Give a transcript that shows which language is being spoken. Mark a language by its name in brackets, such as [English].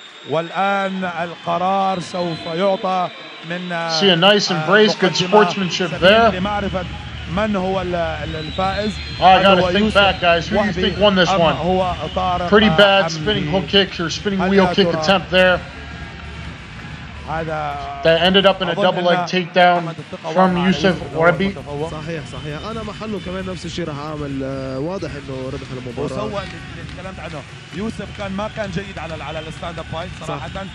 [Arabic] والآن القرار سوف يعطى من [English] See a nice embrace, good sportsmanship there. [Arabic] لمعرفة من هو الفائز. [English] I gotta think back, guys. Who do you think won this one? Pretty bad spinning hook kick or spinning wheel kick attempt there. That ended up in a double leg takedown from Yousef Wehbe. [Arabic] صحيح صحيح. أنا محله كمان نفس الشيء راح أعمل واضح إنه ربح المباراة. وسوى اللي تكلمت عنه. يوسف كان ما كان جيد على الستاند أب فايت صراحة.